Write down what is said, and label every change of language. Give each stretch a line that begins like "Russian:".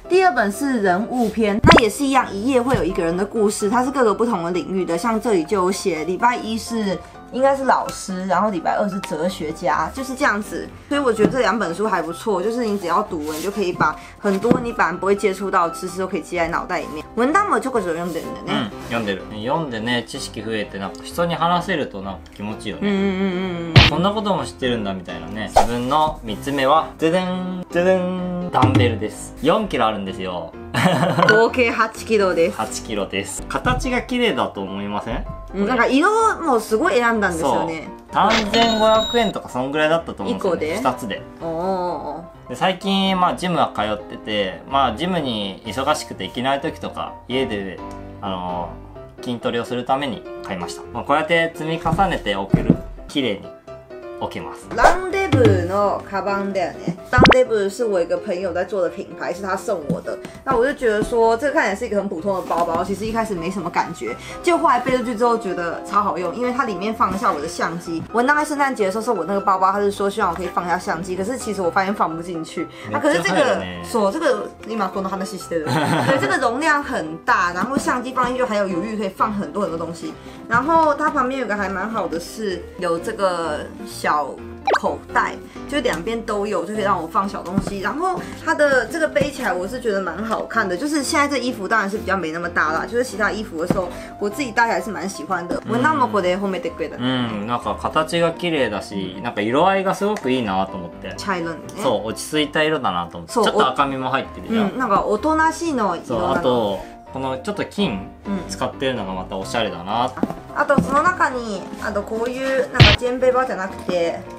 Chinese: 第二本是人物篇，那也是一样，一页会有一个人的故事，它是各个不同的领域的，像这里就有写礼拜一是应该是老师，然后礼拜二是哲学家，就是这样子。所以我觉得这两本书还不错，就是你只要读了，你就可以把很多你本来不会接触到的知识都可以记在脑袋里面。
Japanese: 文章もちょこちょこ読んでるんだね。うん、読んでる。読んでね、知識増えてなんか人に話せるとなんか気持ちいいよね。こんなことも知ってるんだみたいなね。自分の3つ目は、ドゥドゥン、ドゥドゥン、ダンベルです。 4キロあるんですよ。合計8キロです。 8キロです。形が綺麗だと思いません？なんか色もすごい選んだんですよね。 3500円とかそんぐらいだったと思うんですよ、ね、1個で2つ で, おで最近まあジムは通ってて、まあジムに忙しくて行けない時とか家で筋トレをするために買いました、まあ、こうやって積み重ねて置ける、綺麗に置けます。ランデブーのカバンだよね。
Chinese: ランデブー是我一个朋友在做的品牌，是他送我的。那我就觉得说这个看起来是一个很普通的包包，其实一开始没什么感觉，就后来背出去之后觉得超好用，因为它里面放下我的相机。我那在圣诞节的时候是我那个包包，他是说希望我可以放下相机，可是其实我发现放不进去。那、啊、可是这个锁，这个立马放到他那西西的，对，这个容量很大，然后相机放进去还有余裕可以放很多很多东西。然后它旁边有个还蛮好的是有这个小口袋，就两边都有，就可以让我放小东西。然后它的这个背起来我是觉得蛮好看的，就是现在这衣服当然是比较没那么大啦，就是其他衣服的时候我自己戴起来是蛮喜欢的。
Japanese: 文章もこれ褒めてくれた。なんか形が綺麗だし、なんか色合いがすごくいいなと思って。茶色ね。そう、落ち着いた色だなと思って。ちょっと赤みも入ってるじゃん。なんか大人しいの色だな。そう、あとこのちょっと金使ってるのがまたおしゃれだな。あとその中にあとこういうなんかジェンベバじゃなくて。